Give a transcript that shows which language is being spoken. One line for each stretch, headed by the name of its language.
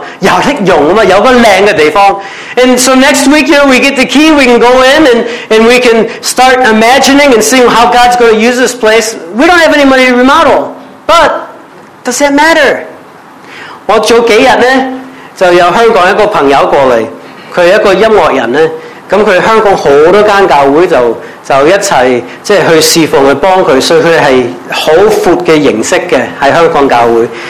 Cantonese: 現在我們下個星期可以上去清潔，又可以拿鑰匙，又可以幻想我們日後怎樣，沒有錢裝修，有什麼所謂，有得用，有個漂亮的地方。
English: And so next week, you know, we get the key, we can go in and we can start imagining and seeing how God's going to use this place. We don't have any money to remodel, but does that matter?
Cantonese: 我早幾天呢，就有香港一個朋友過來，他是一個音樂人呢， 咁佢香港好多間教會就一齊即係去侍奉去幫佢，所以佢係好闊嘅形式嘅喺香港教會。